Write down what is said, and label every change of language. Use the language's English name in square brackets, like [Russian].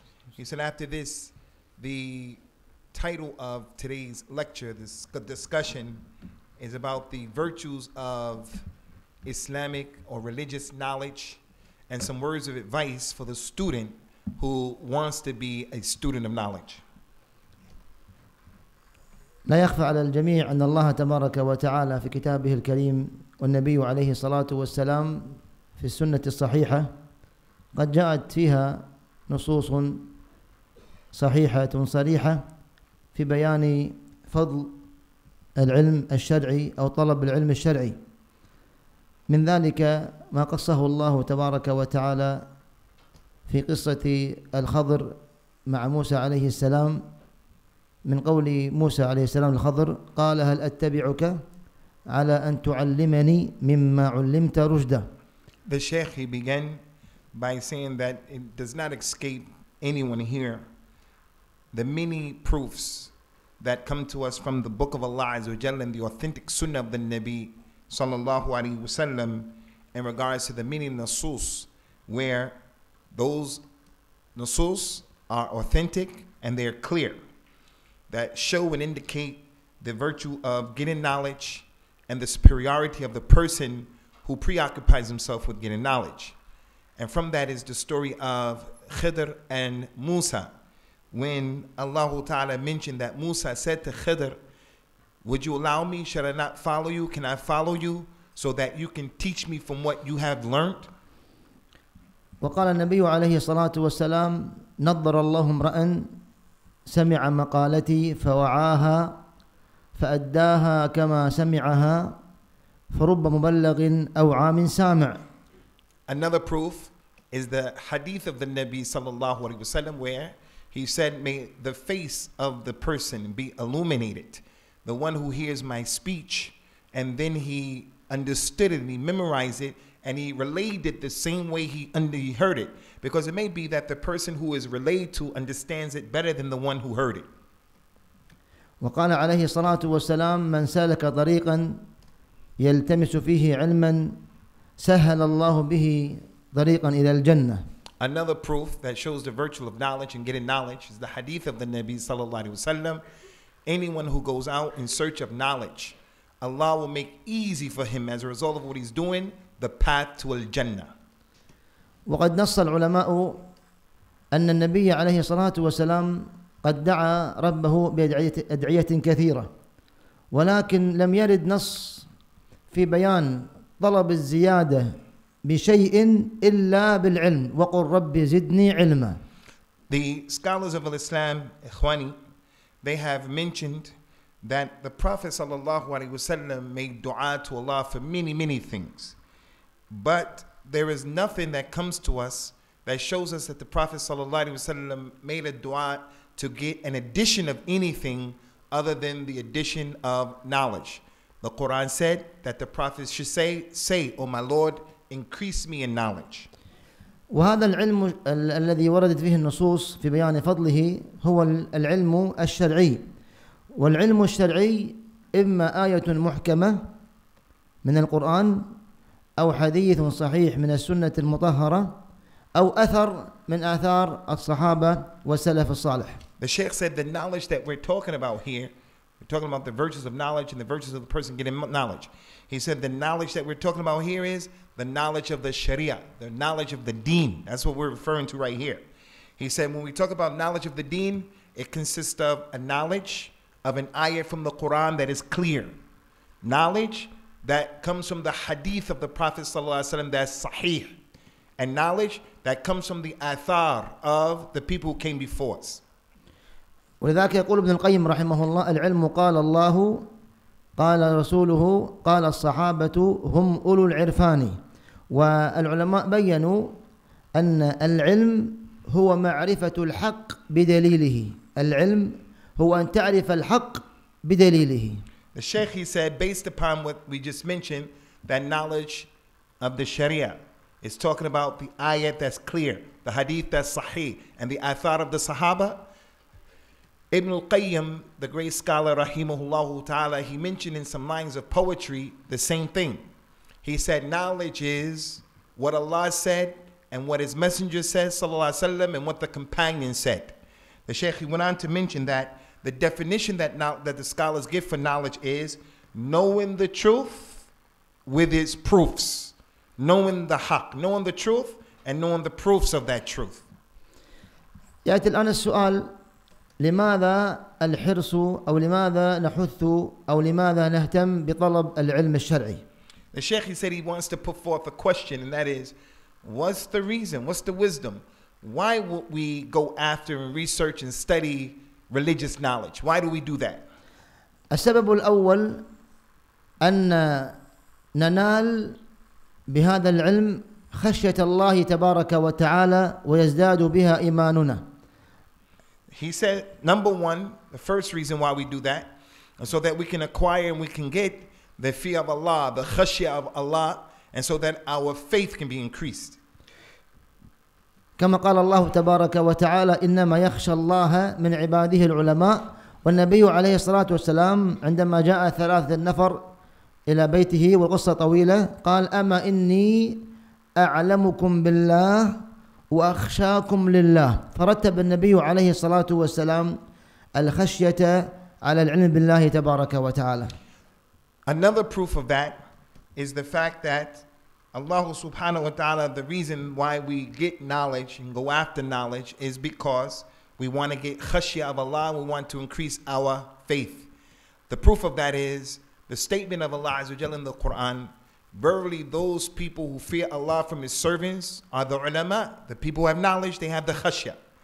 [English] He said after this, the title of today's lecture, this discussion, is about the virtues of Islamic or religious knowledge and some words of advice for the student who wants to be a student of knowledge. [Arabic] لا يخفى على الجميع أن الله تبارك وتعالى في كتابه الكريم والنبي عليه الصلاة والسلام في السنة الصحيحة قد جاءت فيها نصوص صحيحة صريحة في بيان فضل العلم الشرعي أو طلب العلم الشرعي. من ذلك ما قصه الله تبارك وتعالى في قصة الخضر مع موسى عليه السلام، من قول موسى عليه السلام الخضر: قال هل أتبعك على أن تعلمني مما علمت رشدا. [English] The Sheikh, he began by saying that it does not escape anyone here the many proofs that come to us from the book of Allah Azza wa Jalla and the authentic sunnah of the Nabi sallallahu alayhi wa sallam in regards to the many nasus, where those nasus are authentic and they are clear, that show and indicate the virtue of getting knowledge and the superiority of the person who preoccupies himself with getting knowledge. And from that is the story of Khidr and Musa, when Allah Ta'ala mentioned that Musa said to Khidr, would you allow me? Should I not follow you? Can I follow you so that you can teach me from what you have learned? [Arabic] وقال النبي عليه الصلاة والسلام نظر الله امرأ سمع مقالتي فوعاها فأداها كما سمعها فرب مبلغ أوعى من سامع. [English] Another proof is the hadith of the Nabi sallallahu alayhi wa sallam, where he said, may the face of the person be illuminated, the one who hears my speech, and then he understood it and he memorized it and he relayed it the same way he heard it. Because it may be that the person who is relayed to understands it better than the one who heard it. [Arabic] وقال عليه الصلاة والسلام من سلك طريقا يلتمس فيه علما سهل الله به طريقا إلى الجنة. [English] Another proof that shows the virtue of knowledge and getting knowledge is the hadith of the Nabi sallallahu alaihi wasallam. Anyone who goes out in search of knowledge, Allah will make easy for him as a result of what he's doing the path to al-Jannah. [Arabic] وقد نص العلماء أن النبي عليه الصلاة والسلام قد دعا ربه بأدعية كثيرة، ولكن لم يرد نص في بيان طلب الزيادة بشيء إلا بالعلم، وقل ربي زدني علما. [English] The scholars of Islam, إخواني, they have mentioned that the Prophet [Arabic] صلى الله عليه وسلم [English] made dua to Allah for many, many things. But there is nothing that comes to us that shows us that the Prophet sallallahu alaihi wasallam made a dua to get an addition of anything other than the addition of knowledge. The Quran said that the Prophet should say, O my Lord, increase me in knowledge. [Arabic] وهذا العلم الذي وردت فيه النصوص في بيان فضله هو العلم الشرعي، والعلم الشرعي إما آية محكمة من القرآن أو حديث صحيح من السنة المطهرة أو أثر من آثار الصحابة والسلف الصالح. [English] The Sheikh said the knowledge that we're talking about here, we're talking about the virtues of knowledge and the virtues of the person getting knowledge. He said the knowledge that we're talking about here is the knowledge of the Sharia, the knowledge of the Deen. That's what we're referring to right here. He said when we talk about knowledge of the Deen, it consists of a knowledge of an ayah from the Quran that is clear. Knowledge that comes from the hadith of the Prophet sallallahu alaihi wasallam that's sahih. And knowledge that comes from the athar of the people who came before us. [Arabic] ولذلك يقول ابن القيم رحمه الله العلم قال الله قال رسوله قال الصحابة هم أولو العرفان. والعلماء بيّنوا أن العلم هو معرفة الحق بدليله. العلم هو أن تعرف الحق بدليله. [English] The Sheikh, he said, based upon what we just mentioned, that knowledge of the Sharia is talking about the ayat that's clear, the hadith that's sahih, and the athar of the Sahaba. Ibn al-Qayyim, the great scholar, rahimahullah ta'ala, he mentioned in some lines of poetry the same thing. He said, knowledge is what Allah said and what his messenger said, sallallahu alayhi wa sallam, and what the companion said. The Sheikh, he went on to mention that the definition that that the scholars give for knowledge is knowing the truth with its proofs. Knowing the haq, knowing the truth, and knowing the proofs of that truth. [Arabic] يأتي الآن السؤال لماذا الحرص أو لماذا نحث أو لماذا نهتم بطلب العلم الشرعي؟ [English] The Sheikh, he said he wants to put forth a question, and that is, what's the reason, what's the wisdom? Why would we go after and research and study religious knowledge? Why do we do that? [Arabic] السبب الأول أن ننال بهذا العلم خشية الله تبارك وتعالى ويزداد بها إيماننا. [English] He said, number one, the first reason why we do that, so that we can acquire and we can get the fear of Allah, the khashya of Allah, and so that our faith can be increased. [Arabic] كما قال الله تبارك وتعالى إنما يخشى الله من عباده العلماء. والنبي عليه الصلاة والسلام عندما جاء ثلاثة النفر إلى بيته والقصة طويلة قال أما إني أعلمكم بالله وأخشاكم لله. فرتب النبي عليه الصلاة والسلام الخشية على العلم بالله تبارك وتعالى. [English] Another proof of that is the fact that Allah subhanahu wa ta'ala, the reason why we get knowledge and go after knowledge is because we want to get khashya of Allah, we want to increase our faith. The proof of that is the statement of Allah Azza wa Jalla in the Quran, verily those people who fear Allah from His servants are the ulama, the people who have knowledge, they have the khashya.